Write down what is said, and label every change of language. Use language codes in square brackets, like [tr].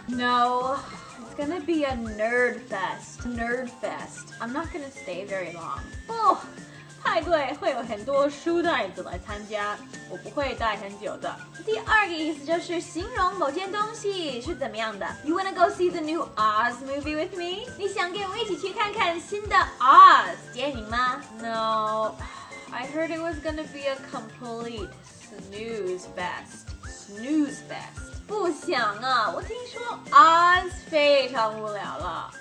[en] No. Gonna be a nerd fest. Nerd fest. I'm not gonna stay very long. [zh] Oh, 派对会有很多书呆子来参加，我不会待很久的。第二个意思就是形容某件东西是怎么样的。 [en] You wanna go see the new Oz movie with me? [zh] 你想跟我一起去看看新的 Oz 电影吗？ [en] No, I heard it was gonna be a complete snooze fest. Snooze fest. [zh] 不想啊，我听说 Oz 非常无聊了。